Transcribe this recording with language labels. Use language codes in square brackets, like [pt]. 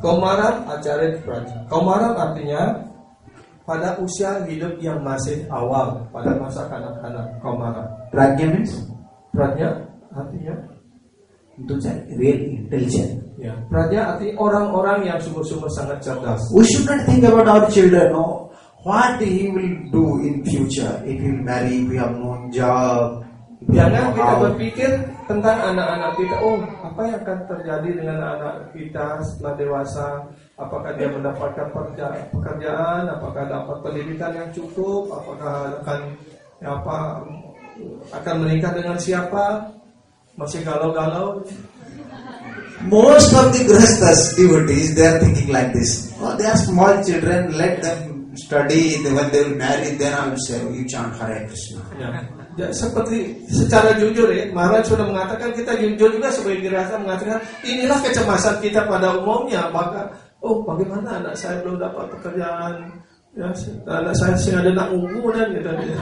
[sa] Kumaran acharyate prajnam. [id] Kumaran artinya pada usia hidup yang masih awal, pada masa kanak-kanak. Kumaran. [en] Prajnam means? [id] Prajnam artinya? [en] Itu saja, real intelligent. [id] Ya, praja arti orang-orang yang sungguh-sungguh sangat cerdas. [en] We should not think about our children, no? What he will do in future? If he will marry, if he have no job. [id] Jangan kita berpikir tentang anak-anak kita. Oh, apa yang akan terjadi dengan anak kita setelah dewasa? Apakah dia mendapatkan pekerjaan? Apakah dapat pendidikan yang cukup? Apakah akan apa? Akan menikah dengan siapa? Masih galau-galau. [en] Most of the grihasthas devotees, they are thinking like this. Oh, they are small children, let them study, when they will marry, then I will say, you chant Hare Krishna. [id] Ya, seperti secara jujur ya, Maharaj sudah mengatakan, kita jujur juga sebagai grihasta mengatakan, inilah kecemasan kita pada umumnya. Maka, oh bagaimana anak saya belum dapat pekerjaan, ya, anak saya sih ada anak umum dan gitu.